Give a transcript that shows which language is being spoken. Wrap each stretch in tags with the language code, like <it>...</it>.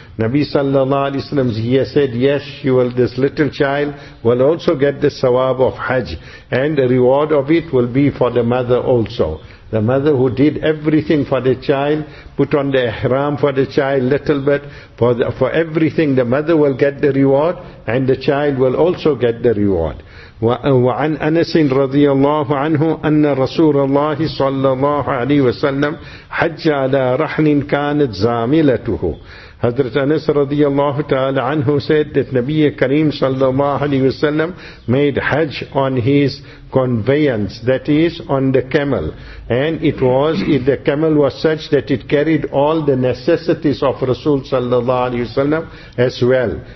<en>Nabi sallallahu alayhi wa sallam, he said, yes, you will, this little child will also get the sawab of Hajj, and the reward of it will be for the mother also. The mother who did everything for the child, put on the ihram for the child little bit, for everything, the mother will get the reward, and the child will also get the reward.</en> <ar>وعن أنس رضي الله عنه أن رسول الله صلى الله عليه وسلم حج على رحل كانت زاملته.</ar> <en>Hazrat Anas radiyallahu ta'ala anhu said that Nabi Kareem sallallahu alayhi wa sallam made Hajj on his conveyance, that is, on the camel. And it was, if the camel was such that it carried all the necessities of Rasul sallallahu alayhi wa sallam as well.</en>